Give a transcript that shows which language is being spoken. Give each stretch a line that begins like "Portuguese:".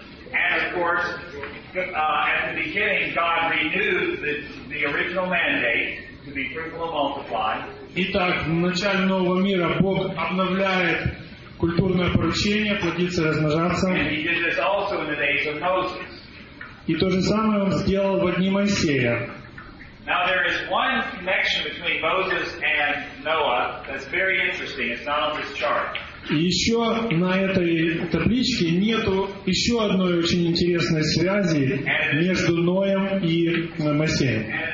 English: And of course, at the beginning, God renewed the original mandate to be fruitful and multiply.
Russian: Итак, в начале нового мира Бог обновляет культурное поручение плодиться и размножаться.
English: And He did this also in the days of Moses.
Russian: И то же самое Он сделал в дни Моисея.
English: Now there is one connection between Moses and Noah that's very interesting. It's not on this chart.
Russian: Еще на этой табличке нету еще одной очень интересной связи между Ноем и Моисеем.